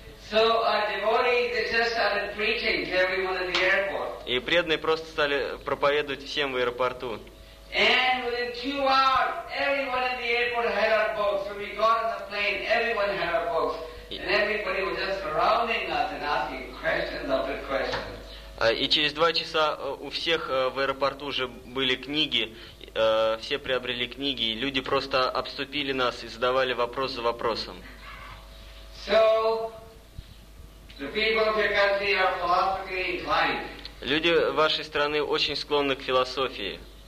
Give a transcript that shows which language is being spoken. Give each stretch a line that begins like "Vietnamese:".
English: So our devotees just started preaching to everyone in the airport.
Russian: И преданные просто стали проповедовать всем в аэропорту.
English: And within 2 hours, everyone in the airport had our books. When we got on the plane, everyone had our books, and everybody was just surrounding us and asking questions after questions.
Russian: И через 2 часа у всех в аэропорту уже были книги, все приобрели книги, и люди просто обступили нас и задавали вопрос за вопросом.
English: So the people of your country are philosophically inclined.
Russian: Люди вашей страны очень склонны к философии.